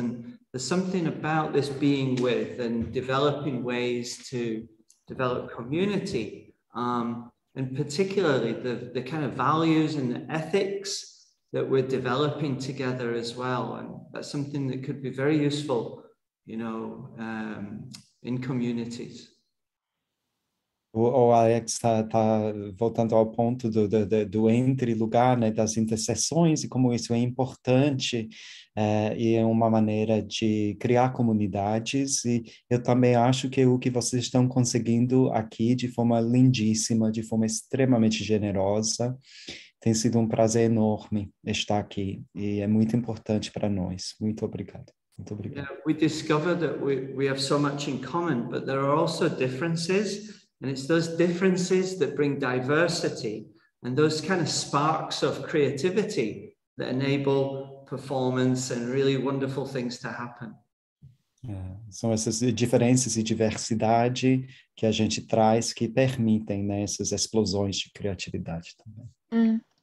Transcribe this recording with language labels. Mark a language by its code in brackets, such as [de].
[en] And there's something about this being with and developing ways to develop community, and particularly the kind of values and the ethics that we're developing together as well. And that's something that could be very useful, you know, in communities. [pt] O Alex tá voltando ao ponto do entre lugar, né, das interseções, e como isso é importante, e é uma maneira de criar comunidades. E eu também acho que o que vocês estão conseguindo aqui de forma lindíssima, de forma extremamente generosa, tem sido um prazer enorme estar aqui, e é muito importante para nós. Muito obrigado. Muito obrigado. [en] Yeah, we discovered that we have so much in common, but there are also differences. And it's those differences that bring diversity and those kind of sparks of creativity that enable performance and really wonderful things to happen. Yeah. [pt] São essas diferenças e diversidade que a gente traz que permitem, né, essas explosões de criatividade também.